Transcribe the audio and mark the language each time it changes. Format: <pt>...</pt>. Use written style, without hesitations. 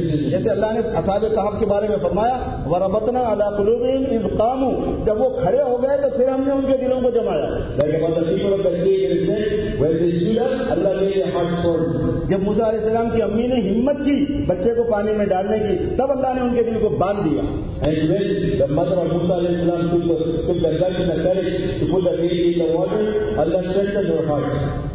<ur>جیسے اللہ نے اصحاب کہف کے بارے میں فرمایا</ur> <ar>وربطنا علی قلوبهم اذ قاموا،</ar> <ur>جب وہ کھڑے ہو گئے تو پھر ہم نے ان کے دلوں کو جمایا.</ur> <en>When they stood up, Allah made their hearts swollen.</en> <ur>جب موسیٰ علیہ السلام کی امی نے ہمت کی بچے کو پانی میں ڈالنے کی تب اللہ نے ان کے دل کو باندھ دیا.</ur> <en>And when the mother of Musa alayhi salam took the guts and the courage to put the baby in the water, Allah strengthened her heart.</en>